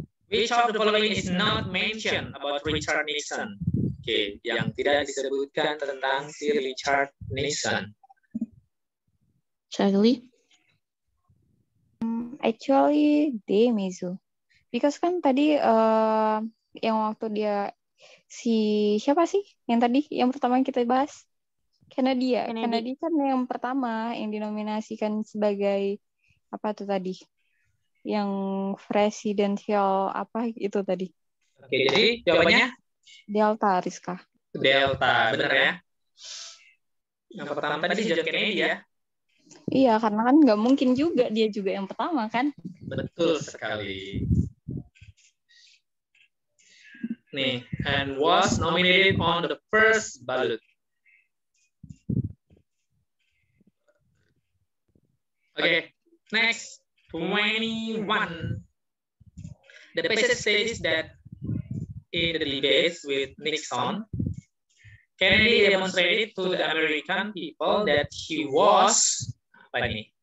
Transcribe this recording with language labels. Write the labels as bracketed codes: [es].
[en] Which of the following is not mentioned about Richard Nixon? [id] Okay, yang tidak disebutkan tentang si Richard Nixon. Charlie? [en] Actually, Demizu. [id] Because kan tadi yang waktu dia si siapa sih yang tadi yang pertama yang kita bahas Kennedy ya. Kennedy kan yang pertama yang dinominasikan sebagai apa tuh tadi yang presidential apa itu tadi. Oke, jadi jawabannya Delta Rizka. Delta benar ya, yang pertama tadi si John Kennedy ya. Iya, karena kan nggak mungkin juga dia juga yang pertama kan. Betul sekali. [en] Nih, and was nominated on the first ballot. Okay, next 21. The passage says that in the debates with Nixon, Kennedy demonstrated to the American people that he was [id] apa ini?